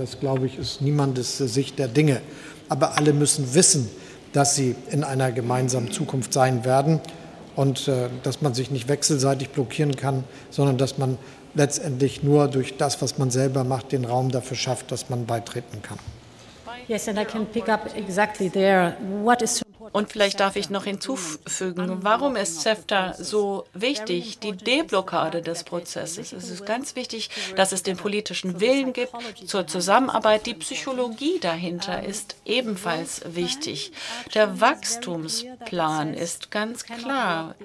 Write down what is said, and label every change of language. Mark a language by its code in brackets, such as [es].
[de] Das, glaube ich, ist niemandes Sicht der Dinge. Aber alle müssen wissen, dass sie in einer gemeinsamen Zukunft sein werden und dass man sich nicht wechselseitig blockieren kann, sondern dass man letztendlich nur durch das, was man selber macht, den Raum dafür schafft, dass man beitreten kann. [en] Yes, and I can pick up exactly there. What is [de] Und vielleicht darf ich noch hinzufügen, warum ist CEFTA so wichtig, die Deblockade des Prozesses? Es ist ganz wichtig, dass es den politischen Willen gibt zur Zusammenarbeit. Die Psychologie dahinter ist ebenfalls wichtig. Der Wachstumsplan ist ganz klar.